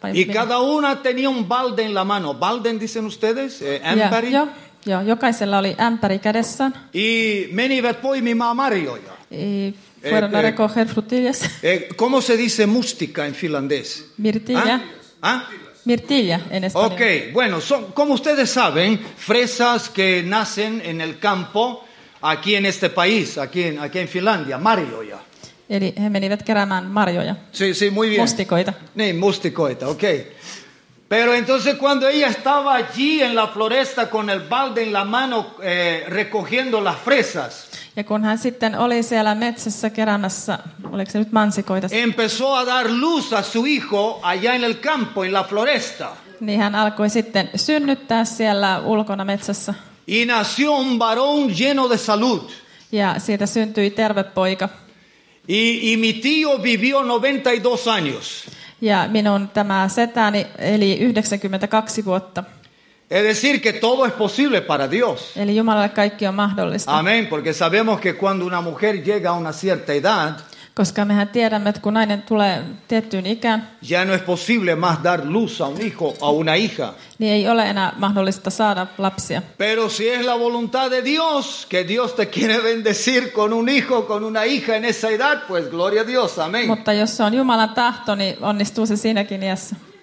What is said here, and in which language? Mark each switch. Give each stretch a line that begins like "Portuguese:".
Spanish: Y cada una tenía un balde en la mano. Balden dicen ustedes, ämpäri.
Finnish: Joo, jokaisella oli ämpäri kädessään. Y menivät poimimaan marjoja.
Spanish: Fueron a recoger frutillas. ¿Cómo se dice mustica en finlandés? Mirtilla. Mirtilla en español. Okay, bueno, son como ustedes saben, fresas que nacen en el campo aquí en este país, aquí en Finlandia, marjoja.
Finnish: Eli he menivät keräämään marjoja.
Spanish: Sí, muy bien.
Finnish: Mustikoita. Niin, mustikoita, okay.
Spanish: Pero entonces cuando ella estaba allí en la floresta con el balde en la mano recogiendo las fresas.
Finnish: Ja kun hän sitten oli siellä metsässä keräämässä, oliko se nyt mansikoita?
Spanish: Empezó a dar luz a su hijo allá en el campo, en la floresta.
Finnish: Niin hän alkoi sitten synnyttää siellä ulkona metsässä.
Spanish: Y nació un varón lleno de salud.
Finnish: Ja siitä syntyi terve poika.
Spanish: Y mi tío vivió 92 años.
Finnish: Ja minun tämä setäni eli 92 vuotta.
Spanish: Es decir que todo es posible para Dios.
Finnish: Eli Jumalalle kaikki on mahdollista.
Spanish: Amén, porque sabemos que cuando una mujer llega a una cierta edad,
Finnish: Koska mehän tiedämme, että kun nainen tulee tiettyyn ikään,
Spanish: ya no es posible más dar luz a un hijo a una hija.
Finnish: Niin ei ole enää mahdollista saada lapsia.
Spanish: Pero si es la voluntad de Dios, que Dios te quiere bendecir con un hijo, con una hija en esa edad, pues gloria a Dios, amén.
Finnish: Mutta jos se on Jumalan tahto, niin onnistuu se siinäkin iässä.